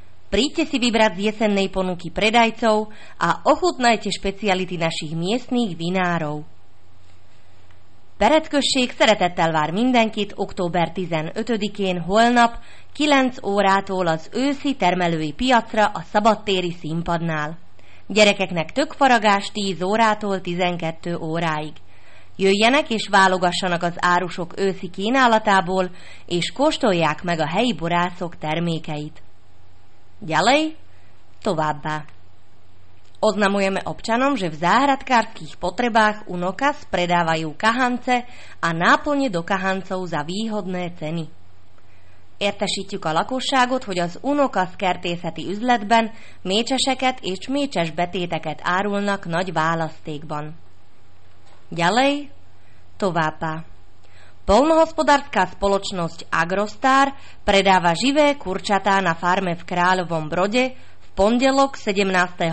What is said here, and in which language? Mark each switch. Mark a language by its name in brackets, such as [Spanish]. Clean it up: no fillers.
[Slovak] Príďte si vybrať z jesennej ponuky predajcov a ochutnajte špeciality našich miestnych vinárov. [Hungarian] Peretkösség szeretettel vár mindenkit október 15-én holnap 9 órától az őszi termelői piacra a szabadtéri színpadnál. Gyerekeknek tökfaragás 10 órától 12 óráig. Jöjjenek és válogassanak az árusok őszi kínálatából, és kóstolják meg a helyi borászok termékeit. [Slovak] Ďalej, [Hungarian] továbbá. [Slovak] Oznamujeme občanom, že v záhradkárskych potrebách u Nokas predávajú kahance a náplne do kahancov za výhodné ceny. [Hungarian] Értesítjük a lakosságot, hogy az Unokas kertészeti üzletben mécseseket és mécses betéteket árulnak nagy választékban. [Slovak] Ďalej, [Hungarian] továbbá. [Slovak] Poľnohospodárska spoločnosť Agrostar predáva živé kurčatá na farme v Kráľovom Brode v pondelok 17.